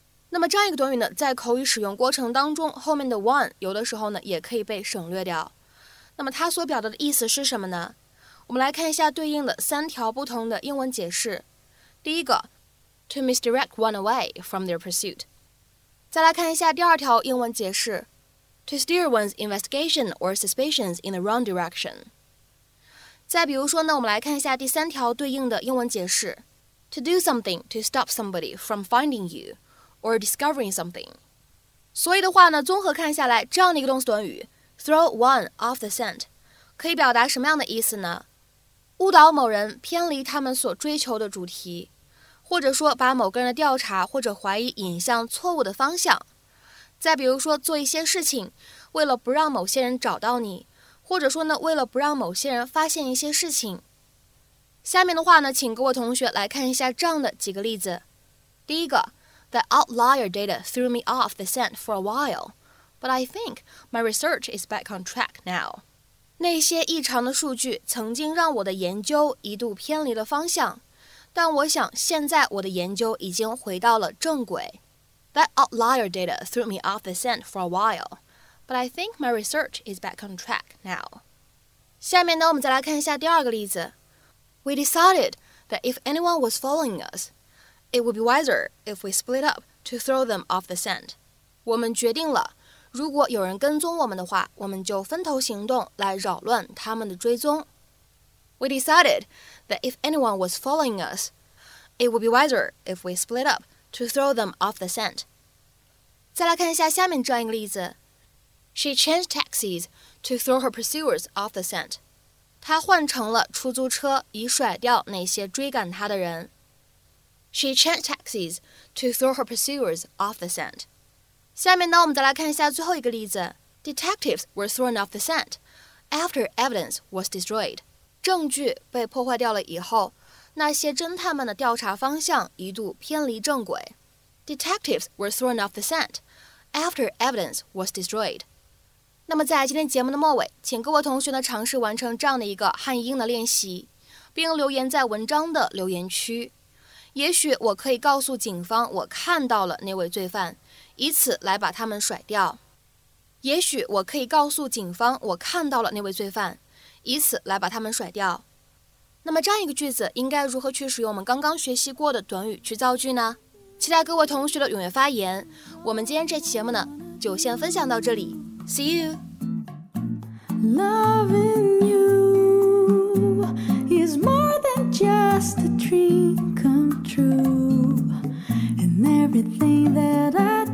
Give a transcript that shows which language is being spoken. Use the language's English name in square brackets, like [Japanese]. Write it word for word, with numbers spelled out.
[Chinese] 那么这样一个短语呢，在口语使用过程当中，后面的 one 有的时候呢，也可以被省略掉。那么它所表达的意思是什么呢？我们来看一下对应的三条不同的英文解释。第一个 [English] to misdirect one away from their pursuit。 [Chinese] 再来看一下第二条英文解释 [English] to steer one's investigation or suspicions in the wrong direction。 [Chinese] 再比如说呢，我们来看一下第三条对应的英文解释 [English] to do something to stop somebody from finding you or discovering something。 [Chinese] 所以的话呢，综合看下来，这样的一个动词短语 [English] throw one off the scent [Chinese] 可以表达什么样的意思呢？误导某人偏离他们所追求的主题，或者说把某个人的调查或者怀疑引向错误的方向。再比如说，做一些事情，为了不让某些人找到你，或者说呢，为了不让某些人发现一些事情。下面的话呢，请各位同学来看一下这样的几个例子。第一个 [English] ，The outlier data threw me off the scent for a while, but I think my research is back on track now. [Chinese] 那些异常的数据曾经让我的研究一度偏离了方向，但我想现在我的研究已经回到了正轨。 [English] That outlier data threw me off the scent for a while, but I think my research is back on track now. [Chinese] 下面呢，我们再来看一下第二个例子。 [English] We decided that if anyone was following us, it would be wiser if we split up to throw them off the scent. [Chinese] 我们决定了，如果有人跟踪我们的话，我们就分头行动来扰乱他们的追踪。 [English] We decided that if anyone was following us, it would be wiser if we split up to throw them off the scent. [Chinese] 再来看一下下面这样一个例子。 [English] She changed taxis to throw her pursuers off the scent. [Chinese] 她换成了出租车，以甩掉那些追赶她的人。 [English] She changed taxis to throw her pursuers off the scent. [Chinese] 下面呢，我们再来看一下最后一个例子。 [English] Detectives were thrown off the scent after evidence was destroyed. [Chinese] 证据被破坏掉了以后，那些侦探们的调查方向一度偏离正轨。 [English] Detectives were thrown off the scent after evidence was destroyed. [Chinese] 那么在今天节目的末尾，请各位同学呢尝试完成这样的一个汉译英的练习，并留言在文章的留言区。也许我可以告诉警方我看到了那位罪犯，以此来把他们甩掉。也许我可以告诉警方我看到了那位罪犯，以此来把他们甩掉。那么这样一个句子应该如何去使用我们刚刚学习过的短语去造句呢？期待各位同学的踊跃发言。我们今天这期节目呢，就先分享到这里。 [English] See you. Loving you is more than just a dream come true, and everything that I